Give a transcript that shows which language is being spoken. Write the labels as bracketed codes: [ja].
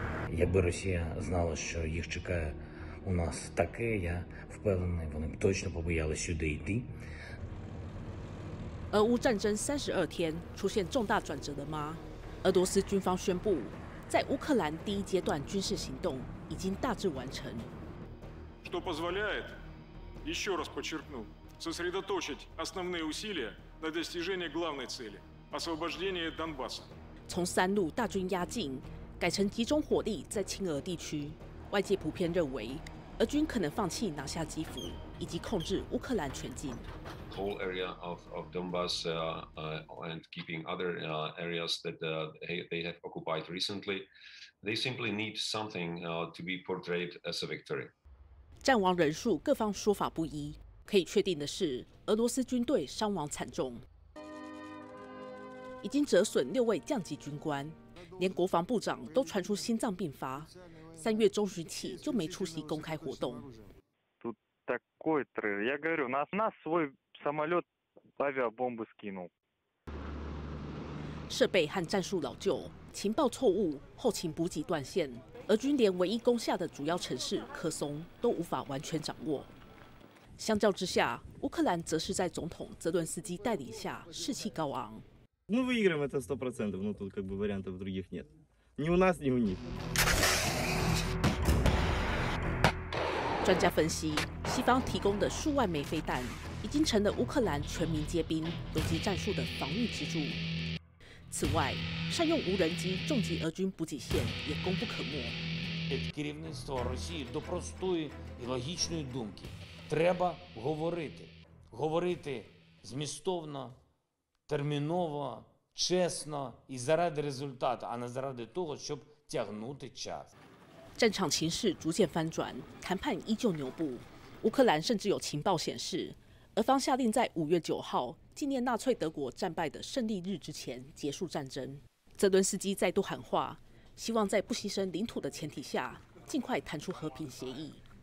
[uk] Якби Росія знала, що їх чекає у нас таке, я впевнений, вони б точно побоялися сюди йти. [zh] 俄乌战争32天出现重大转折了吗？俄罗斯军方宣布，在乌克兰第一阶段军事行动已经大致完成。 [ru] Что позволяет еще раз подчеркну сосредоточить основные усилия на достижении главной цели – освобождения Донбасса。 [zh] 从三路大军压境，改成集中火力在亲俄地区，外界普遍认为，俄军可能放弃拿下基辅。以及控制乌克兰全境。 [en] Whole area of Donbas and keeping other areas that they have occupied recently, they simply need something to be portrayed as a victory. [zh] 战亡人数各方说法不一，可以确定的是，俄罗斯军队伤亡惨重，已经折损6位将级军官，连国防部长都传出心脏病发，三月中旬起就没出席公开活动。 [ru] Такой трэш. Я говорю, нас свой самолет авиабомбы скинул. [zh] 设备和战术老旧，情报错误，后勤补给断线，俄军连唯一攻下的主要城市科松都无法完全掌握。相较之下，乌克兰则是在总统泽伦斯基带领下士气高昂。 [ru] Мы выиграем это 100%, но тут как бы вариантов других нет. Ни у нас, ни у них. [zh] 专家分析。西方提供的数万枚飞弹已经成了乌克兰全民皆兵游击战术的防御支柱。此外，善用无人机重击俄军补给线也功不可没。 [uk] Керівництво Росії до простої і логічної думки треба говорити змістовно, терміново, чесно і заради результату, а не заради того, щоб тягнути час. [zh] 战场情势逐渐翻转，谈判依旧牛步。乌克兰甚至有情报显示，俄方下令在5月9号纪念纳粹德国战败的胜利日之前结束战争。泽伦斯基再度喊话，希望在不牺牲领土的前提下，尽快谈出和平协议。